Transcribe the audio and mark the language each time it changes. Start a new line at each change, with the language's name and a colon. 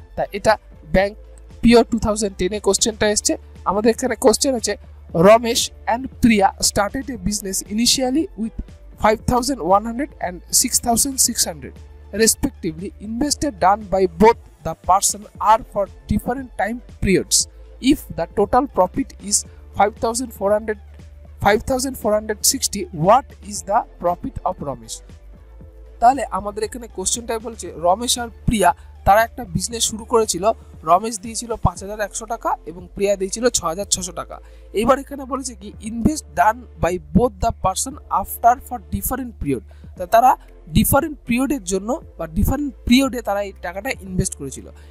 Bangla: তা এটা ব্যাংক পিও 2010 এ কোশ্চেনটা এসছে।
English: আমাদের এখানে কোশ্চেন আছে, Ramesh and Priya started a business initially with 5100 and 6600 respectively invested done by both the person are for different time periods. If the total profit is 5,460, what is the profit of Ramesh?
Bangla: তাহলে আমাদের এখানে কোশ্চেনটাই বলছে, রমেশ আর প্রিয়া তারা একটা business শুরু করেছিল, রমেশ দিয়েছিল 5,100 টাকা এবং প্রিয়া দিয়েছিল 6,600 টাকা। এবার এখানে বলেছে কি,
English: invest done by both the person after for different period,
Bangla: তা তারা ডিফারেন্ট পিরিয়ডের জন্য বা ডিফারেন্ট পিরিয়ডে তারা এই টাকাটা ইনভেস্ট করেছিল।